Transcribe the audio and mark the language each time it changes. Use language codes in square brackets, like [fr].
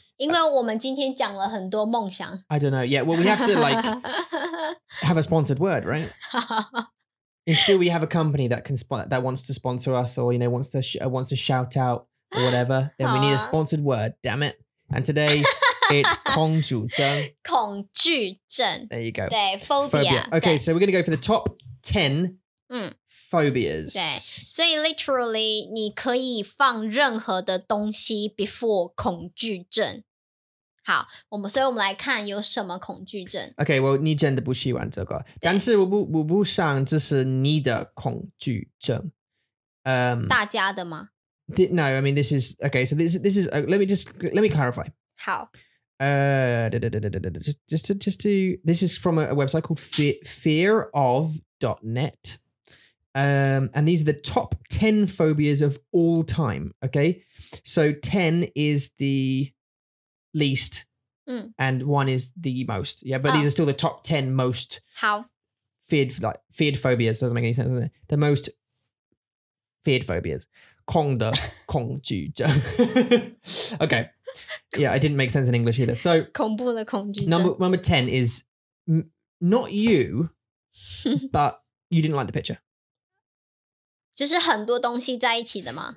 [zh] 因为我们今天讲了很多梦想。 [en] I don't know. Yeah, well, we have to like have a sponsored word, right? Until we have a company that can that wants to sponsor us or, you know, wants to shout out or whatever, then we need a sponsored word, damn it. And today, it's 恐惧症. [zh] 恐惧症. [en] There you go. 对, phobia. Okay, so we're going to go for the top 10 phobias. [zh] 对, 所以 literally, 你可以放任何的东西 before 恐惧症. 好, 我们,所以我们来看有什么恐惧症. [en] Okay, well, [zh] 你真的不喜欢这个。但是我不想这是你的恐惧症。大家的吗? [en] No, I mean, this is, okay, so this is, let me clarify. [zh] 好。 [en] This is from a website called fearof.net. And these are the top 10 phobias of all time, okay? So 10 is the least and 1 is the most. Yeah, but these are still the top 10 most feared phobias. Doesn't make any sense, doesn't it? The most feared phobias. [zh] 恐的恐惧症 [en] Okay. Yeah, it didn't make sense in English either. So, [zh] 恐怖的恐惧症 [en] number 10 is not you, but you didn't like the picture. [zh] 就是很多东西在一起的吗?